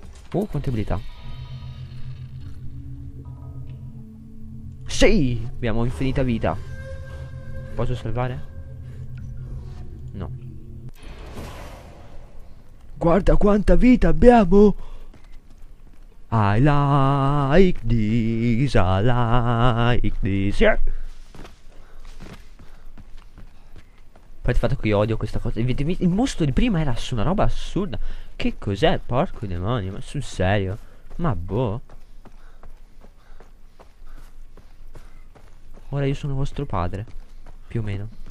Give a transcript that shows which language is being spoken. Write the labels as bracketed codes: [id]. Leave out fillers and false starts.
[it] quante abilità. Sì! Abbiamo infinita vita. Posso salvare? No. Guarda quanta vita abbiamo! [en] I like this, I like this, yeah! [it] Poi il fatto che io odio questa cosa. Il mostro di prima era su una roba assurda. Che cos'è, porco demonio? Ma sul serio? Ma boh. Ora io sono vostro padre. Più o meno.